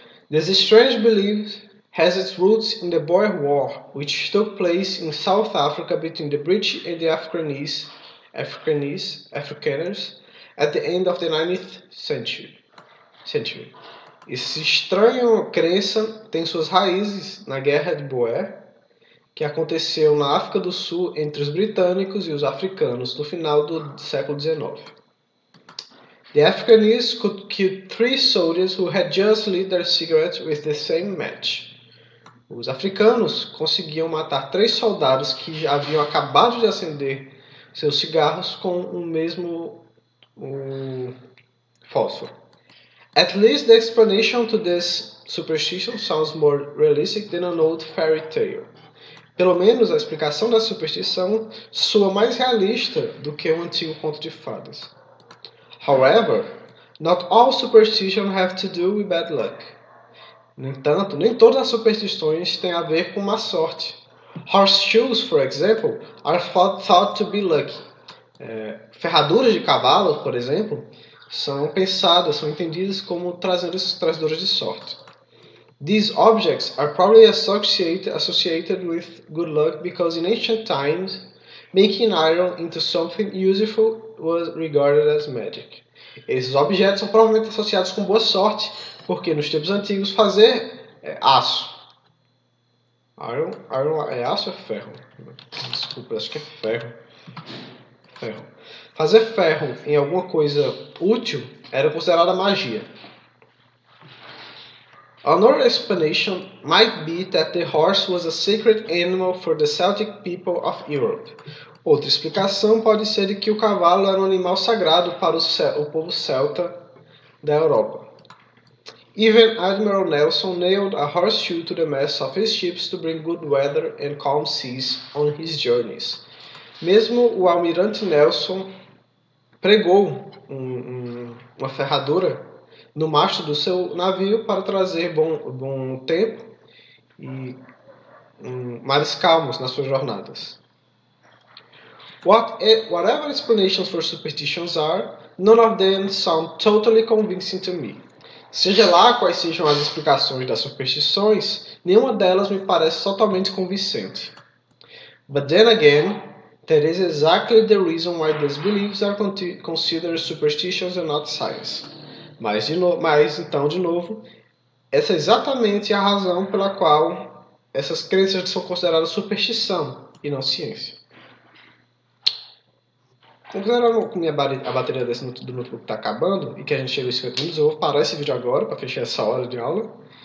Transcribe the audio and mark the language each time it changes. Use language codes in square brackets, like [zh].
[en] This strange belief has its roots in the Boer War, which took place in South Africa between the British and the Afrikaners at the end of the 19th century. [pt] Essa estranha crença tem suas raízes na Guerra de Boer, que aconteceu na África do Sul entre os britânicos e os africanos no final do século XIX. [en] The Africanists could kill three soldiers who had just lit their cigarettes with the same match. [pt] Os africanos conseguiam matar três soldados que já haviam acabado de acender seus cigarros com o mesmo fósforo. [en] At least the explanation to this superstition sounds more realistic than an old fairy tale. [pt] Pelo menos a explicação da superstição soa mais realista do que um antigo conto de fadas. [en] However, not all superstitions have to do with bad luck. [pt] No entanto, nem todas as superstições têm a ver com má sorte. [en] Horseshoes, for example, are thought to be lucky. [pt] Ferraduras de cavalo, por exemplo, são entendidas como trazedoras de sorte. [en] These objects are probably associated with good luck because in ancient times, making iron into something useful was regarded as magic. [pt] Esses objetos são provavelmente associados com boa sorte, porque nos tempos antigos fazer aço. Iron é aço ou é ferro? Desculpa, acho que é ferro. Ferro. Fazer ferro em alguma coisa útil era considerada magia. [en] Another explanation might be that the horse was a sacred animal for the Celtic people of Europe. [pt] Outra explicação pode ser de que o cavalo era um animal sagrado para o povo celta da Europa. [en] Even Admiral Nelson nailed a horseshoe to the mast of his ships to bring good weather and calm seas on his journeys. [pt] Mesmo o almirante Nelson pregou uma ferradura no mastro do seu navio para trazer bom tempo e mares calmos nas suas jornadas. [en] Whatever explanations for superstitions are, none of them sound totally convincing to me. [pt] Seja lá quais sejam as explicações das superstições, nenhuma delas me parece totalmente convincente. [en] But then again, that is exactly the reason why these beliefs are considered superstitions and not science. [pt] Mas então, de novo, essa é exatamente a razão pela qual essas crenças são consideradas superstição e não ciência. Considerando que minha a bateria desse no do notebook tá acabando e que a gente chegou aos 50 minutos, eu vou parar esse vídeo agora para fechar essa hora de aula.